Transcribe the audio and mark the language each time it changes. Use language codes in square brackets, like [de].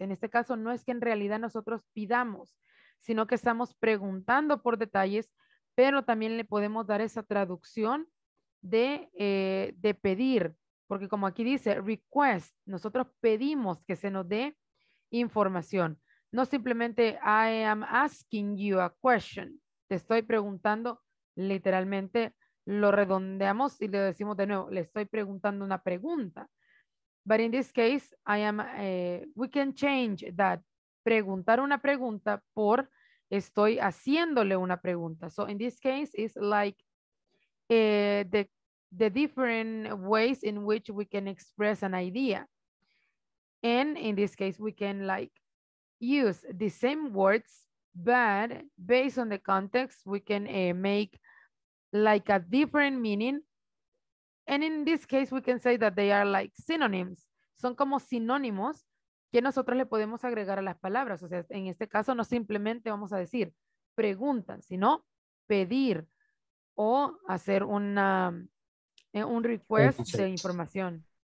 [es] En este caso no es que en realidad nosotros pidamos, sino que estamos preguntando por detalles, pero también le podemos dar esa traducción de pedir. Porque como aquí dice, request, nosotros pedimos que se nos dé información. No simplemente [en] I am asking you a question. [es] Te estoy preguntando, literalmente lo redondeamos y le decimos de nuevo, le estoy preguntando una pregunta. [en] But in this case, we can change that. [es] Preguntar una pregunta por estoy haciéndole una pregunta. [en] So in this case, it's like the different ways in which we can express an idea. And in this case, we can like use the same words, but based on the context, we can make like a different meaning. And in this case, we can say that they are like synonyms. [es] Son como sinónimos que nosotros le podemos agregar a las palabras. O sea, en este caso no simplemente vamos a decir preguntan, sino pedir o hacer un request de información.